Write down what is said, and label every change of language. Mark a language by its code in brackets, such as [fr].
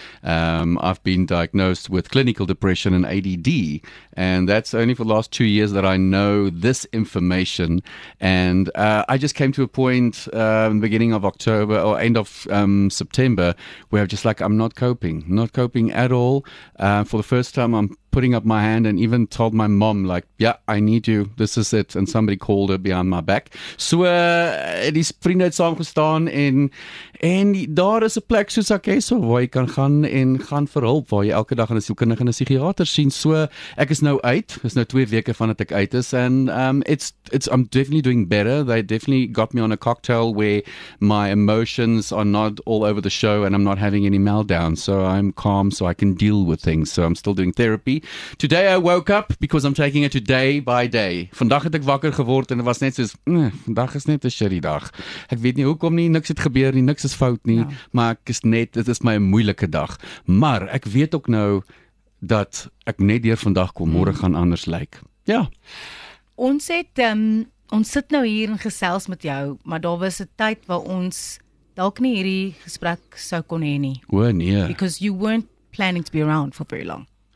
[en] I've been diagnosed with clinical depression and ADD, and that's only for the last 2 years that I know this information. And I just came to a point beginning of October or end of September where I'm just like, I'm not coping at all. For the first time I'm putting up my hand and even told my mom, like, yeah, I need you. This is it. And somebody called her behind my back. [af] So, het die vriende het saamgestaan en daar is 'n plek soos Akeso waar jy kan gaan en gaan vir hulp, waar jy elke dag in 'n sielkundige en 'n psigiater sien. So, ek is nou uit. Dis nou 2 weke van dat ek uit is. [en] And I'm definitely doing better. They definitely got me on a cocktail where my emotions are not all over the show and I'm not having any meltdowns. So, I'm calm so I can deal with things. So, I'm still doing therapy. Today I woke up because I'm taking it day by day. [af] Vandag het ek wakker geword en dit was net soos, vandag is net 'n shitty dag. Ek weet nie hoekom nie, niks het gebeur nie, niks is fout nie, ja. Maar ek is net, dit is my moeilike dag. Maar ek weet ook nou dat ek net deur vandag kom, môre gaan anders lyk. Ja. Ons het, ons sit nou hier en gesels met jou, maar daar was 'n tyd waar ons dalk nie hierdie gesprek sou kon hê nie. O nee. [en] Because you weren't planning to be around for very long.